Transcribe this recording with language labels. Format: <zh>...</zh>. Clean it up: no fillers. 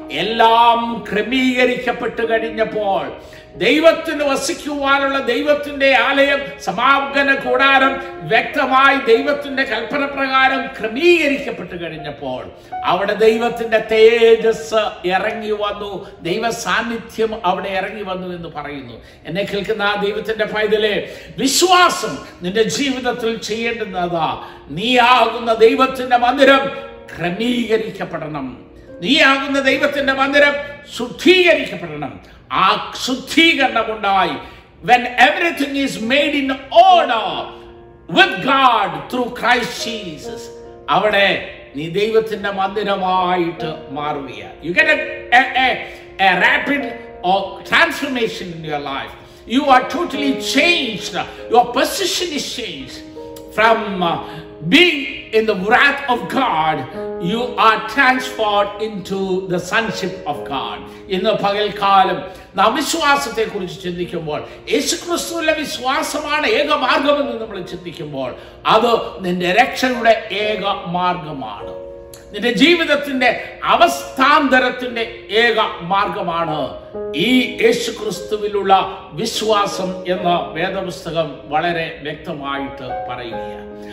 <ml>എല്ലാം ക്രമീകരിക്കപ്പെട്ടു കഴിഞ്ഞപ്പോൾ ദൈവത്തിന് വസിക്കുവാനുള്ള ദൈവത്തിന്റെ ആലയം സമാഗമന കൂടാരം വ്യക്തമായി ദൈവത്തിന്റെ കൽപ്പന പ്രകാരം ക്രമീകരിക്കപ്പെട്ടു കഴിഞ്ഞപ്പോൾ അവിടെ ദൈവത്തിന്റെ തേജസ് ഇറങ്ങി വന്നു, ദൈവ സാന്നിധ്യം അവിടെ ഇറങ്ങി വന്നു എന്ന് പറയുന്നു. എന്നെ കേൾക്കുന്ന ആ ദൈവത്തിന്റെ ഫൈദലെ, വിശ്വാസം നിന്റെ ജീവിതത്തിൽ ചെയ്യേണ്ടുന്നതാ. നീ ആകുന്ന ദൈവത്തിന്റെ മന്ദിരം ക്രമീകരിക്കപ്പെടണം. നീ ആകുന്ന ദൈവത്തിന്റെ മന്ദിരം ശുദ്ധീകരിക്കപ്പെടണം. ആ ശുദ്ധീകരണം ഉണ്ടായി.</ml> <en>When everything is made in order with God through Christ Jesus,</en> <ml>അവിടെ നീ ദൈവത്തിന്റെ മന്ദിരമായിട്ട് മാറുക.</ml> <en>You get a rapid transformation in your life. You are totally changed. Your position is changed. From being in the wrath of God, you are transformed into the sonship of God.</en> <ml>In the pagal kalam, നാം വിശ്വാസത്തെ കുറിച്ച് ചിന്തിക്കുമ്പോൾ, യേശു ക്രിസ്തുവിലെ വിശ്വാസമാണ് ഏക മാർഗമെന്ന് നമ്മൾ ചിന്തിക്കുമ്പോൾ, അത് നിന്റെ രക്ഷയുടെ ഏക മാർഗമാണ്. നിന്റെ ജീവിതത്തിന്റെ അവസ്ഥാന്തരത്തിന്റെ ഏക മാർഗമാണ് ഈ യേശു ക്രിസ്തുവിലുള്ള വിശ്വാസം എന്ന് വേദപുസ്തകം വളരെ വ്യക്തമായിട്ട് പറയുക.</ml>